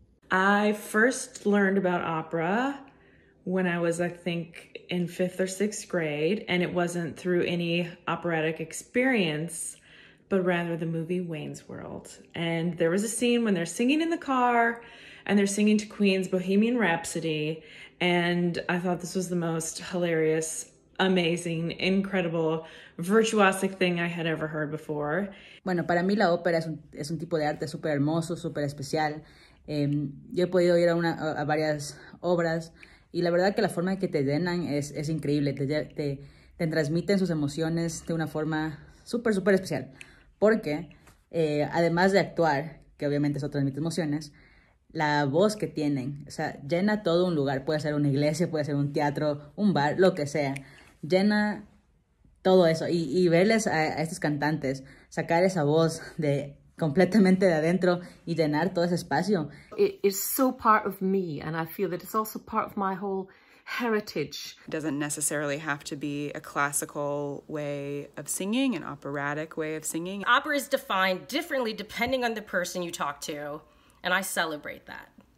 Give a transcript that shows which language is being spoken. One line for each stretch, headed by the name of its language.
English: I first learned about opera when I was, I think, in fifth or sixth grade, and it wasn't through any operatic experience, but rather the movie Wayne's World. And there was a scene when they're singing in the car and they're singing to Queen's Bohemian Rhapsody. And I thought this was the most hilarious, amazing, incredible, virtuosic thing I had ever heard before.
Spanish: Bueno, para mí la ópera es un tipo de arte súper hermoso, súper especial. Yo he podido ir a varias obras y la verdad que la forma en que te llenan es increíble. Te transmiten sus emociones de una forma súper, súper especial. Porque además de actuar, que obviamente eso transmite emociones, la voz que tienen, o sea, llena todo un lugar. Puede ser una iglesia, puede ser un teatro, un bar, lo que sea. Llena todo eso. Y verles a estos cantantes sacar esa voz de completamente de adentro y llenar todo ese espacio.
English: It is so part of me, and I feel that it's also part of my whole heritage. It doesn't necessarily have to be a classical way of singing, an operatic way of singing. Opera is defined differently depending on the person you talk to, and I celebrate that.